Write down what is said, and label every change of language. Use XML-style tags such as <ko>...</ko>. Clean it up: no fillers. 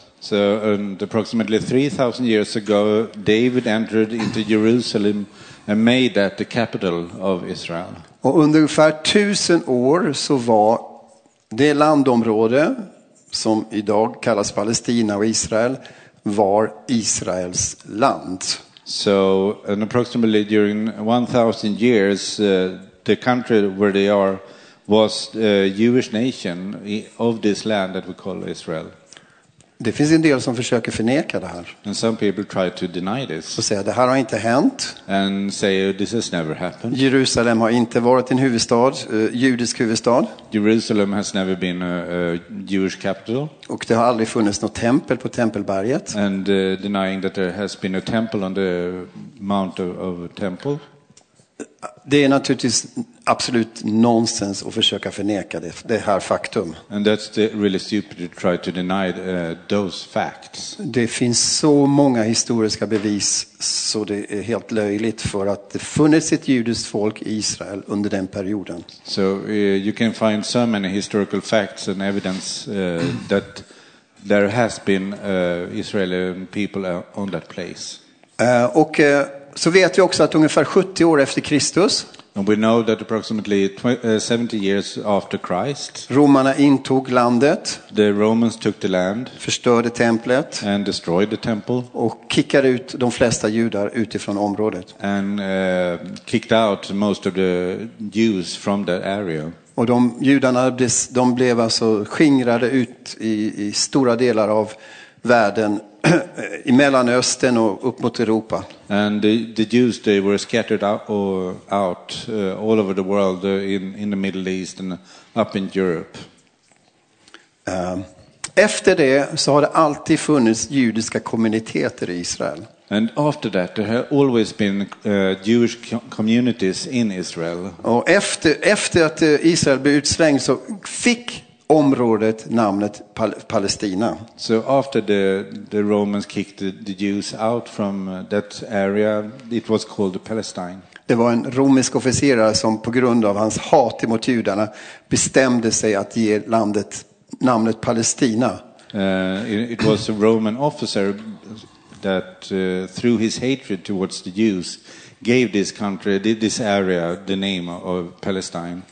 <en>So and approximately 3000 years ago David entered into Jerusalem and made that the capital of Israel.</en> <sv>Och under ungefär 1000 år så var det landområde som idag kallas Palestina och Israel var Israels land.</sv> <en>So and approximately during 1000 years the country where they are was a Jewish nation of this land that we call Israel.</en> <sv>Det finns en del som försöker förneka det här.</sv> <en>And some people try to deny this.</en> <sv>Och säga det här har inte hänt.</sv> <en>And say this has never happened.</en> <sv>Jerusalem har inte varit en huvudstad, judisk huvudstad.</sv> <en>Jerusalem has never been a Jewish capital.</en> <sv>Och det har aldrig funnits något tempel på Tempelberget.</sv> <en>And denying that there has been a temple on the mount of a temple.</en> <sv>Det är naturligtvis absolut nonsens att försöka förneka det här faktum.</sv> <en>And that's really stupid to try to deny those facts.</en> <sv>Det finns så många historiska bevis så det är helt löjligt för att det funnits ett judiskt folk i Israel under den perioden.</sv> <en>So you can find so many historical facts and evidence that there has been Israeli people on that place.</en> <sv>Och så vet vi också att ungefär 70 år efter Kristus</sv> <en>And we know that approximately 70 years after Christ,</en> <sv>romarna intog landet,</sv> <en>the Romans took the land,</en> <sv>förstörde templet,</sv> <en>and destroyed the temple,</en> <sv>och kickade ut de flesta judar utifrån området,</sv> <en>and kicked out most of the Jews from that area.</en> <sv>Och de judarna de blev alltså skingrade ut i stora delar av världen i Mellanöstern och upp mot Europa.</sv> <en>And the Jews they were scattered out all over the world in the Middle East and up in Europe.</en> <sv>Efter det så har det alltid funnits judiska kommuniteter i Israel.</sv> <en>And after that there have always been Jewish communities in Israel.</en> <sv>Och efter att Israel blev utslängd så fick området namnet Palestina.</sv> <en>So after the Romans kicked the Jews out from that area, it was called Palestine.</en> <sv>Det var en romersk officerare som på grund av hans hat emot judarna bestämde sig att ge landet namnet Palestina.</sv> <en>It was a Roman officer that through his hatred towards the Jews gave this country, this area, the name of Palestine.</en>